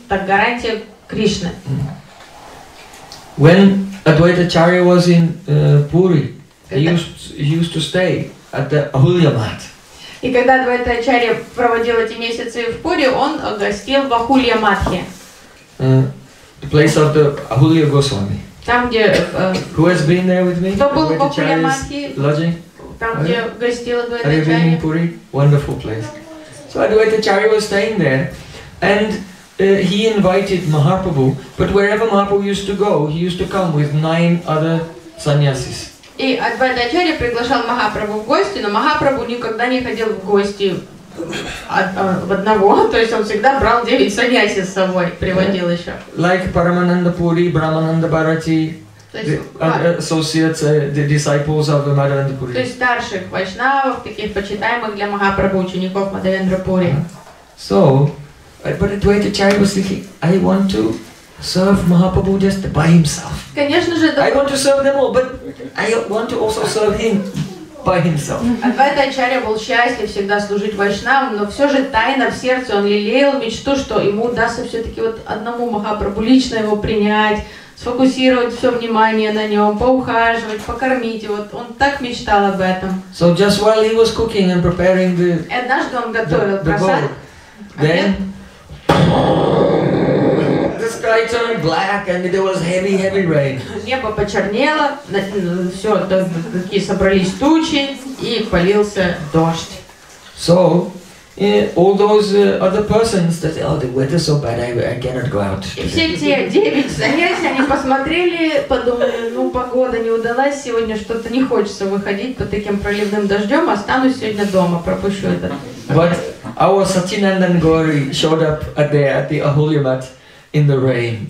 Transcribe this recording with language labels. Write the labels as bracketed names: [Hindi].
[Russian] Так гарантия Кришны. [English] When Advaita Acharya was in Puri, He used to stay at the Ahulya Mat. [Russian] И когда Двайта Ачарья проводил эти месяцы в Пури, он гостил в Ахулья Матхе. [English] The place of the Ahulya Goswami. [Russian] Там где. [English] Who has been there with me? [Russian] Кто был в Ахулья Матхе? [English] Lodging. [Russian] Там где гостил Двайта Ачарья. [English] Have you been in Puri? Wonderful place. So Advaita Acharya was staying there, and he invited Mahaprabhu. But wherever Mahaprabhu used to go, he used to come with 9 other sannyasis. [Russian] И Адвайта Ачарья приглашал Махапрабху в гости, но Махапрабху никогда не ходил в гости в одного, то есть он всегда брал 9 саньяси с собой, приводил еще. [English] Like Парамананда Пури, Брамананда Бхарати, associates, the disciples of the Мадхавендра Пури. [Russian] То есть старших вайшнавов, таких почитаемых для Махапрабху учеников Мадхавендра Пури. [English] So, but Адвайта Ачарья was thinking, I want to serve Mahaprabhu just by himself. [Russian] Конечно же, [English] I want to serve them all, but I want to also serve him by himself. [Russian] Адвайта Ачарья был счастлив всегда служить вайшнавам, но все же тайно в сердце он лелеял мечту, что ему удастся все-таки вот одному Махапрабху лично его принять, сфокусировать все внимание на нем, поухаживать, покормить его. Он так мечтал об этом. [English] So just while he was cooking and preparing the [Russian] однажды он готовил просад. [English] Then the sky turned black and there was heavy, heavy rain. [Russian] Небо почернело, все, такие собрались тучи и полился дождь. [English] So, all those other persons that said, oh, the weather's so bad, I cannot go out. [Russian] И все те 9 саньяси, они посмотрели, подумали, ну погода не удалась сегодня, что-то не хочется выходить под таким проливным дождем, останусь сегодня дома, пропущу это. [English] But our Satyanandan Gauri showed up at the Ahulya Mat. In the rain.